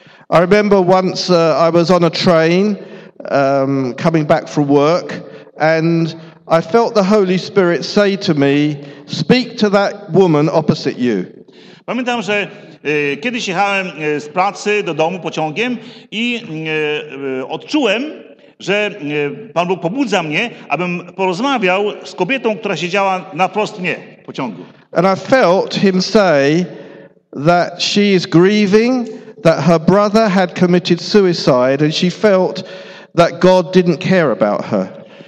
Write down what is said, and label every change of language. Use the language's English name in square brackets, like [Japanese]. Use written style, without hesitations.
[English] I remember once I was on a train coming back from work, and I felt the Holy Spirit say to me, speak to that woman opposite you. [Polish] Pamiętam, że kiedyś jechałem z pracy do domu pociągiem i odczułem, że Pan Bóg pobudza mnie, abym porozmawiał z kobietą, która siedziała naprost mnie w pociągu. [English] And I felt him say that she is grieving, that her brother had committed suicide, and she felt that God didn't care about her.